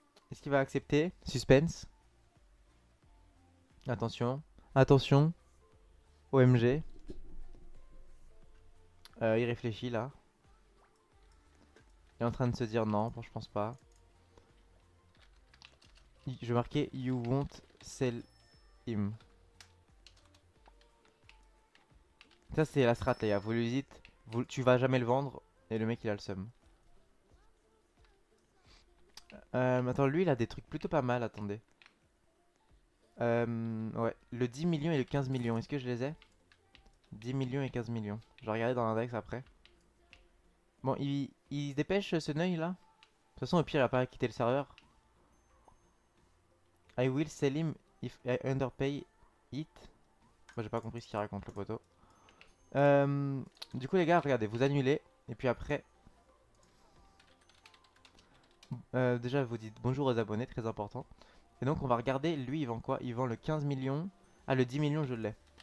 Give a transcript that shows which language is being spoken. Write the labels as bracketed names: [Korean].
[French] Est-ce qu'il va accepter? Suspense. Attention. Attention. OMG. Il réfléchit là. Il est en train de se dire non, bon, je pense pas. Je vais marquer [English] You won't sell him. [French] Ça, c'est la strat, les gars. Vous lui dites. Tu vas jamais le vendre et le mec il a le seum. Attends, lui il a des trucs plutôt pas mal, attendez. Ouais, le 10 millions et le 15 millions, est-ce que je les ai? 10 millions et 15 millions. Je vais regarder dans l'index après. Bon, il se dépêche ce Neuil là. De toute façon, au pire, il a pas quitté le serveur. [English] I will sell him if I underpay it. [French] Moi, j'ai pas compris ce qu'il raconte le poteau. Du coup les gars, regardez, vous annulez et puis après déjà vous dites bonjour aux abonnés, très important. Et donc on va regarder, lui il vend quoi? Il vend le 15 millions. Ah, le 10 millions je l'ai.